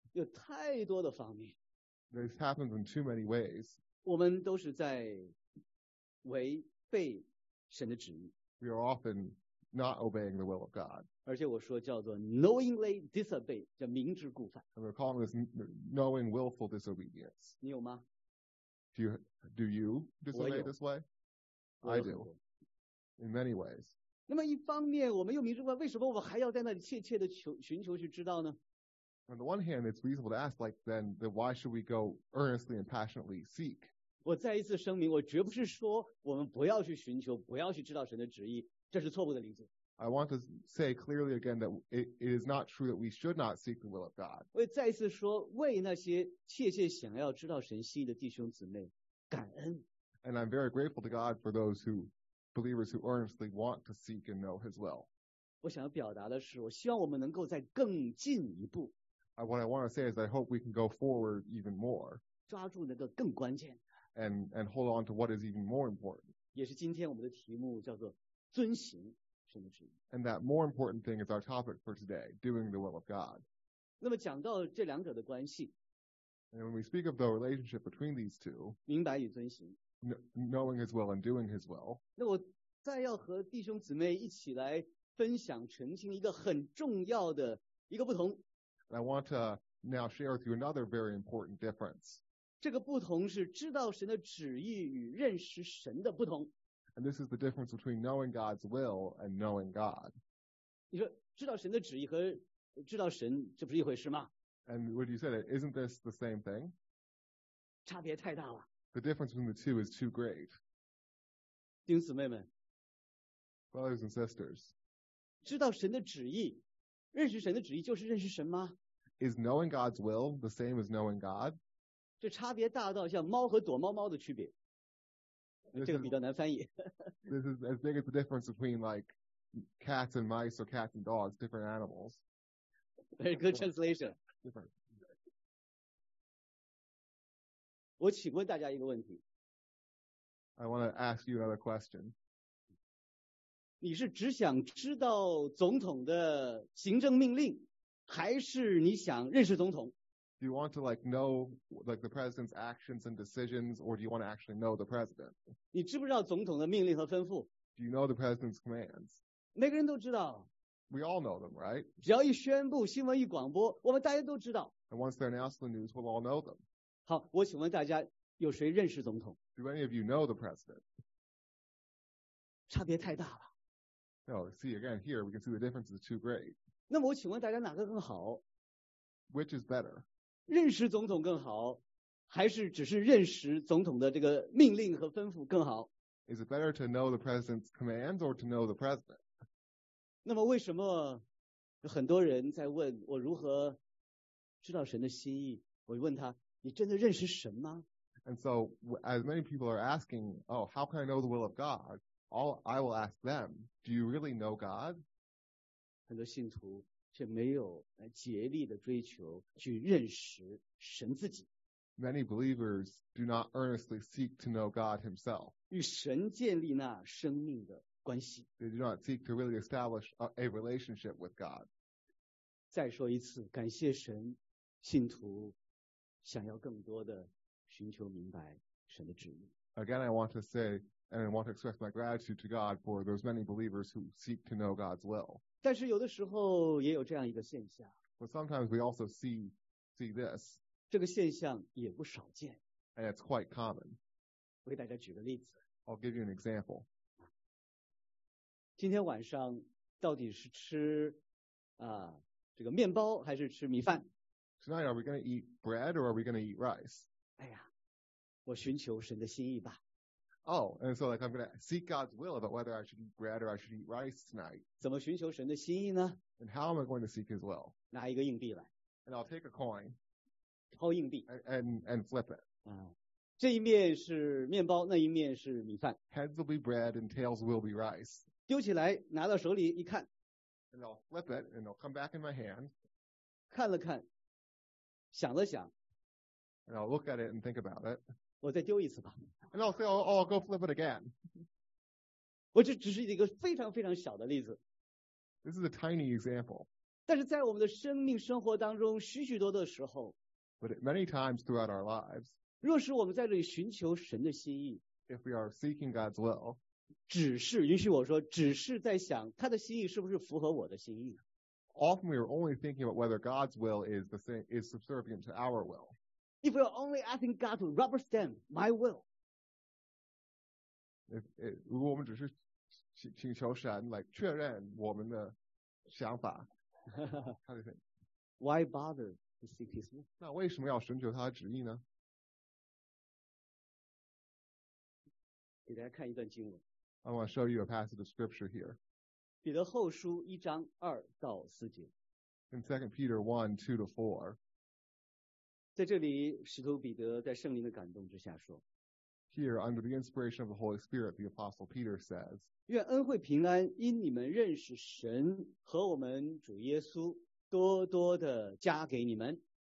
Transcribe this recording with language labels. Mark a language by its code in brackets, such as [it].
[zh] 有太多的方面。 [en] This happens in too many ways. [zh] 我们都是在违背神的旨意。 [en] We are often not obeying the will of God. [zh] 而且我说叫做 [en] knowingly disobey, [zh] 叫明知故犯。 [en] And we're calling this knowing willful disobedience. [zh] 你有吗？ [en] Do you disobey this way? I do. In many ways. [zh] 那么一方面我们又明知故犯为什么我们还要在那里切切的寻求去知道呢？ [en] On the one hand, it's reasonable to ask, like, then why should we go earnestly and passionately seek? [zh] 我再一次声明，我绝不是说我们不要去寻求，不要去知道神的旨意，这是错误的理解。 [en] I want to say clearly again that it is not true that we should not seek the will of God. [zh] 我再一次说，为那些切切想要知道神心意的弟兄姊妹感恩。 [en] And I'm very grateful to God for those who believers who earnestly want to seek and know His will. [zh] 我想要表达的是，我希望我们能够再更进一步。 [en] What I want to say is I hope we can go forward even more [zh] 抓住那个更关键 [en] and hold on to what is even more important [zh] 也是今天我们的题目叫做遵行神的旨意 [en] and that more important thing is our topic for today doing the will of God [zh] 那么讲到这两者的关系 [en] and when we speak of the relationship between these two [zh] 明白与遵行 [en] knowing His will and doing His will [zh] 那我再要和弟兄姊妹一起来分享澄清一个很重要的一个不同 [en] And I want to now share with you another very important difference. [zh] 这个不同是知道神的旨意与认识神的不同。 [en] And this is the difference between knowing God's will and knowing God. [zh] 你说知道神的旨意和知道神，这不是一回事吗？ [en] And what you said, isn't this the same thing? [zh] 差别太大了。 [en] The difference between the two is too great. [zh] 弟兄姊妹们。 [en] Brothers and sisters. [zh] 知道神的旨意。认识神的旨意就是认识神吗 [en] Is knowing God's will the same as knowing God? [zh] 这差别大到像猫和躲猫猫的区别。这个比较难翻译。 [en] This is as big as the difference between like cats and mice or cats and dogs, different animals. Very good translation. [zh] 我请问大家一个问题。 [en] I want to ask you another question. [zh] 你是只想知道总统的行政命令，还是你想认识总统 [en] ？Do you want to like know like the president's actions and decisions, or do you want to actually know the president？ [zh] 你知不知道总统的命令和吩咐 [en] ？Do you know the president's commands？ [zh] 每个人都知道。 [en] We all know them, right？ [zh] 只要一宣布，新闻一广播，我们大家都知道。 [en] And once they're announced, the news will all know them. [zh] 好，我请问大家，有谁认识总统 [en] ？Do any of you know the president？ [zh] 差别太大了。 [en] No, see again here, we can see the difference is too great. [zh] 那么我请问大家哪个更好？ [en] Which is better? [zh] 认识总统更好，还是只是认识总统的这个命令和吩咐更好？ [en] Is it better to know the president's commands or to know the president? [zh] 那么为什么很多人在问我如何知道神的心意？我问他，你真的认识神吗？ [en] And so, as many people are asking, oh, how can I know the will of God? All I will ask them, do you really know God? [zh] 很多信徒却没有竭力的追求去认识神自己。 [en] Many believers do not earnestly seek to know God himself. [zh] 与神建立那生命的关系。 [en] They do not seek to really establish a relationship with God. [zh] 再说一次，感谢神，信徒想要更多的寻求明白神的旨意。 [en] Again, I want to say,And I want to express my gratitude to God for those many believers who seek to know God's will. [zh] 但是有的时候也有这样一个现象。 [en] But sometimes we also see this. [zh] 这个现象也不少见。 [en] And it's quite common. [zh] 我给大家举个例子。 [en] I'll give you an example. [zh] 今天晚上到底是吃这个面包还是吃米饭。 [en] Tonight, are we going to eat bread or are we going to eat rice? [zh] 哎呀，我寻求神的心意吧。 [en] Oh, and so like I'm going to seek God's will about whether I should eat bread or I should eat rice tonight. [zh] 怎么寻求神的心意呢？ [en] And how am I going to seek His will? [zh] 拿一个硬币来。 [en] And I'll take a coin. [zh] 抛硬币。 [en] And flip it. [zh] 这一面是面包，那一面是米饭。 [en] Heads will be bread and tails will be rice. [zh] 丢起来，拿到手里一看。 [en] And I'll flip it and it'll come back in my hand. [zh] 看了看，想了想。 [en] And I'll look at it and think about it. [zh] 我再丢一次吧。 [en] And I'll say, oh, I'll go flip it again. [zh] 我这只是一个非常非常小的例子。 [en] This is a tiny example. [zh] 但是在我们的生命生活当中，许许多多的时候。 [en] But many times throughout our lives. [zh] 若是我们在这里寻求神的心意， [en] If we are seeking God's will, [zh] 只是允许我说，只是在想他的心意是不是符合我的心意。 Often we are only thinking about whether God's will is the same, is subservient to our will. [en] If we are only asking God to rubber stamp my will, [zh] 如果我们只是请求神来确认我们的想法，他的心 [en] 意。Why bother to seek His will? [zh] 那为什么要寻求他的旨意呢？给大家看一段经文。 [en] I want to show you a passage of scripture here. [zh] 彼得后书一章二到四节。 [en] In 2 Peter 1, 2 to 4. [zh] 在这里使徒彼得在圣灵的感动之下说。 [en] Here, under the inspiration of the Holy Spirit, the Apostle Peter says, [zh] 愿恩惠平安因你们认识神和我们主耶稣多多的加给你们。